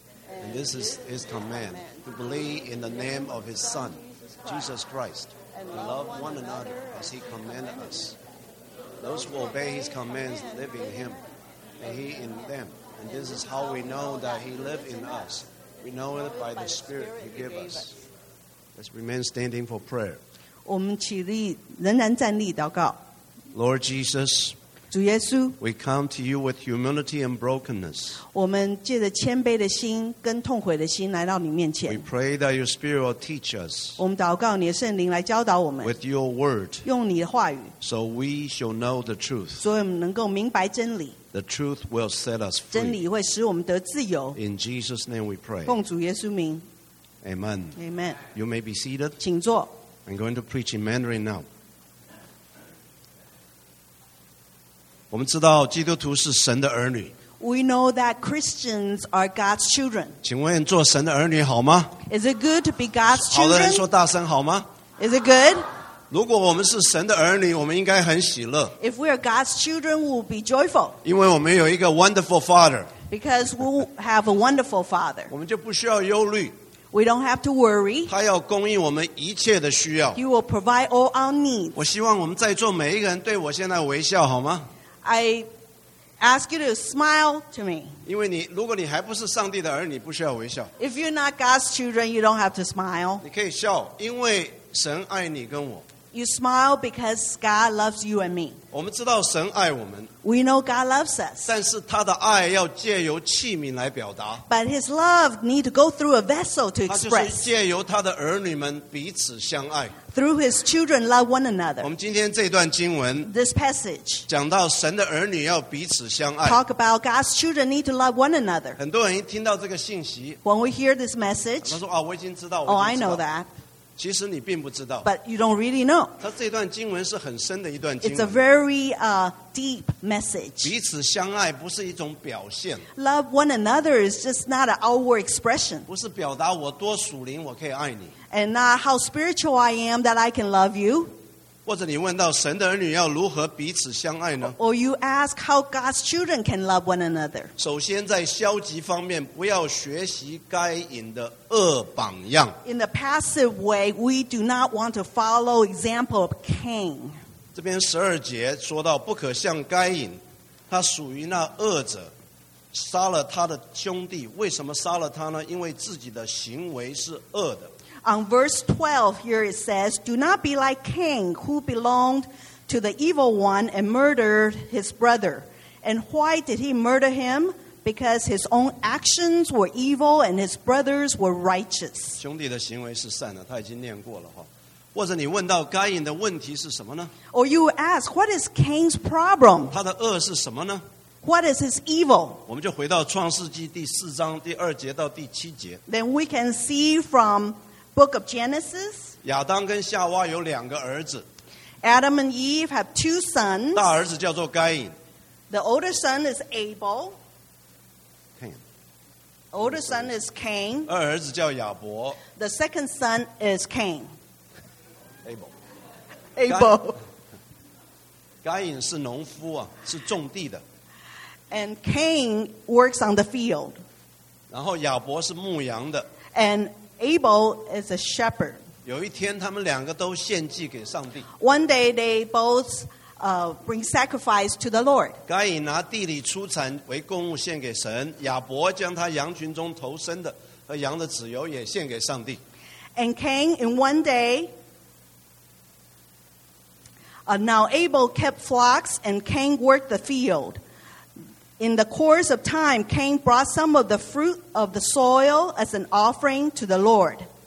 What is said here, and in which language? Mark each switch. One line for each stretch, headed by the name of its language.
English: And this is his command, to believe in the name of his Son, Jesus Christ, and love one another as he commanded us. Those who obey his commands live in him, and he in them. And this is how we know that he lives in us. We know it by the Spirit he gives us. Let's remain standing for prayer.
Chinese: 我们起立，仍然站立祷告。
English: Lord Jesus,
Chinese: 主耶稣，
English: we come to you with humility and brokenness.
Chinese: 我们借着谦卑的心跟痛悔的心来到你面前。
English: We pray that your Spirit will teach us.
Chinese: 我们祷告你的圣灵来教导我们。
English: With your word.
Chinese: 用你的话语。
English: So we shall know the truth.
Chinese: 所以我们能够明白真理。
English: The truth will set us free.
Chinese: 真理会使我们得自由。
English: In Jesus' name we pray.
Chinese: 奉主耶稣名。
English: Amen. Amen. You may be seated.
Chinese: 请坐。
English: I'm going to preach in Mandarin now.
Chinese: 我们知道基督徒是神的儿女。
English: We know that Christians are God's children.
Chinese: 请问做神的儿女好吗？
English: Is it good to be God's children?
Chinese: 好的人说大声好吗？
English: Is it good?
Chinese: 如果我们是神的儿女，我们应该很喜乐。
English: If we are God's children, we'll be joyful.
Chinese: 因为我们有一个
English: wonderful father. Because we have a wonderful father.
Chinese: 我们就不需要忧虑。
English: We don't have to worry.
Chinese: 他要供应我们一切的需要。
English: He will provide all our needs.
Chinese: 我希望我们在座每一个人对我现在微笑好吗？
English: I ask you to smile to me.
Chinese: 因为你，如果你还不是上帝的儿女，你不需要微笑。
English: If you're not God's children, you don't have to smile.
Chinese: 你可以笑，因为神爱你跟我。
English: You smile because God loves you and me.
Chinese: 我们知道神爱我们。
English: We know God loves us.
Chinese: 但是他的爱要借由器皿来表达。
English: But his love need to go through a vessel to express.
Chinese: 他就是借由他的儿女们彼此相爱。
English: Through his children, love one another.
Chinese: 我们今天这段经文
English: this passage
Chinese: 讲到神的儿女要彼此相爱
English: talk about God's children need to love one another.
Chinese: 很多人一听到这个信息
English: when we hear this message,
Chinese: 他说啊，我已经知道
English: oh, I know that.
Chinese: 其实你并不知道
English: but you don't really know.
Chinese: 他这段经文是很深的一段经文
English: it's a very deep message.
Chinese: 彼此相爱不是一种表现
English: love one another is just not an outward expression.
Chinese: 不是表达我多属灵我可以爱你
English: And not how spiritual I am that I can love you. Or you ask how God's children can love one another.
Chinese: 首先在消极方面不要学习该隐的恶榜样。
English: In the passive way, we do not want to follow example of Cain.
Chinese: 这边十二节说到不可像该隐，他属于那恶者。杀了他的兄弟，为什么杀了他呢？因为自己的行为是恶的。
English: On verse 12, here it says, Do not be like Cain, who belonged to the evil one and murdered his brother. And why did he murder him? Because his own actions were evil and his brother's were righteous.
Chinese: 兄弟的行为是善的，他已经念过了哈。或者你问到该隐的问题是什么呢？
English: Or you ask, what is Cain's problem?
Chinese: 他的恶是什么呢？
English: What is his evil?
Chinese: 我们就回到创世纪第四章第二节到第七节。
English: Then we can see from Book of Genesis.
Chinese: 亚当跟夏娃有两个儿子。
English: Adam and Eve have two sons.
Chinese: 大儿子叫做该隐。
English: The older son is Abel. Cain. Older son is Cain.
Chinese: 二儿子叫亚伯。
English: The second son is Cain. Abel. Abel.
Chinese: 该隐是农夫啊，是种地的。
English: And Cain works on the field.
Chinese: 然后亚伯是牧羊的。
English: And Abel is a shepherd.
Chinese: 有一天，他们两个都献祭给上帝。
English: One day they both bring sacrifice to the Lord.
Chinese: 该隐拿地里出产为供物献给神，亚伯将他羊群中投生的和羊的子由也献给上帝。
English: And Cain in one day. Now Abel kept flocks and Cain worked the field. In the course of time, Cain brought some of the fruit of the soil as an offering to the Lord.